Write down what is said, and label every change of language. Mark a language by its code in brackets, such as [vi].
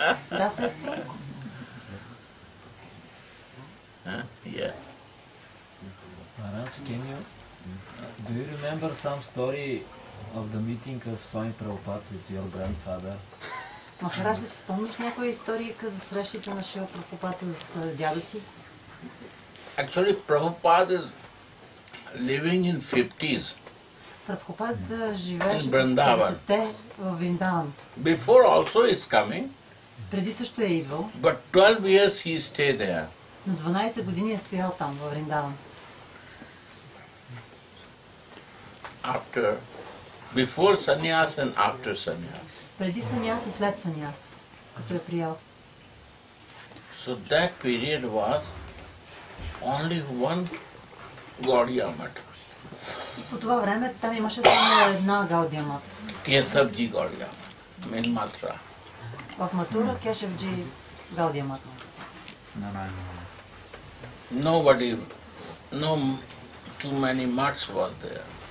[bg] Да, сестра. [en] Yes. Maharaj, do you remember some story of the meeting of Swami Prabhupada with your grandfather? [bg] Maharaj, да си спомниш някоя история за срещата на Шрила Прабхупада с дядо ти? [en] Actually, Prabhupada is living in 50s. [bg] Прабхупада живееше в 50-те в Вриндаван. [en] Before also is coming. [bg] Преди също е идвал. [en] But 12 years he stay there. [bg] Но 12 години е стоял там в Вриндаван. [en] After before sannyas and after sannyas. [bg] Преди sannyas и след sannyas, като е приял. [en] So that period was only one Gaudiya Math. [bg] И по това време там имаше само една Гаудия Мат. Кешавджи Гаудия Мат. Мен Матра. В Матура Кешавджи Гаудия Мат. [en] Nobody, no too many mats was there.